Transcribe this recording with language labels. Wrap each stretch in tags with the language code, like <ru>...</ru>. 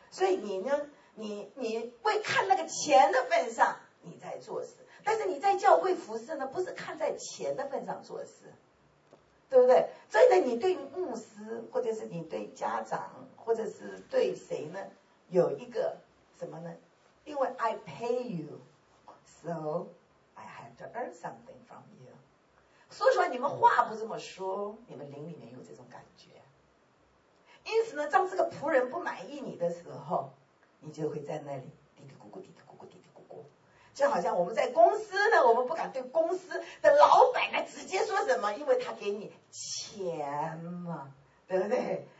<zh>所以你呢，你会看那个钱的份上你在做事，但是你在教会服事呢，不是看在钱的份上做事，对不对？所以呢，你对牧师或者是你对家长或者是对谁呢，有一个什么呢？因为</zh> <en>I pay you soI have to earn something from you.</en> <zh>说实话，你们话不这么说，你们灵里面有这种感觉。因此呢，当这个仆人不满意你的时候，你就会在那里嘀嘀咕咕、嘀嘀咕咕、嘀嘀咕咕。就好像我们在公司呢，我们不敢对公司的老板来直接说什么，因为他给你钱嘛，对不对？</zh>